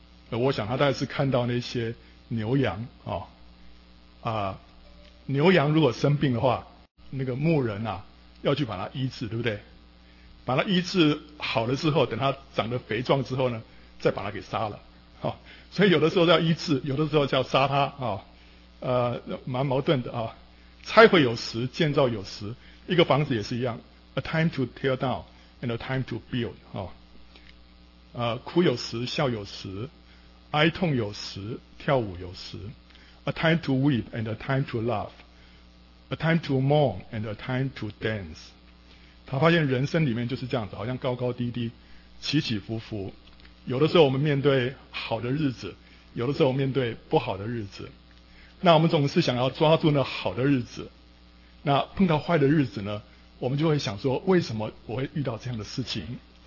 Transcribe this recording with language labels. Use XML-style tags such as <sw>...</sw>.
<zh>我想他大概是看到那些牛羊啊，牛羊如果生病的话，那个牧人啊要去把它医治，对不对？把它医治好了之后，等它长得肥壮之后呢，再把它给杀了啊。所以有的时候叫医治，有的时候叫杀他啊，蛮矛盾的啊。拆毁有时，建造有时，一个房子也是一样 ，</zh> <en>a time to tear down and a time to build</en> <zh>啊。哭有时，笑有时，哀痛有时，跳舞有时</zh> <en>，a time to weep and a time to laugh，a time to mourn and a time to dance。</en> <zh>他发现人生里面就是这样子，好像高高低低，起起伏伏。有的时候我们面对好的日子，有的时候面对不好的日子，那我们总是想要抓住那好的日子，那碰到坏的日子呢，我们就会想说为什么我会遇到这样的事情。</zh>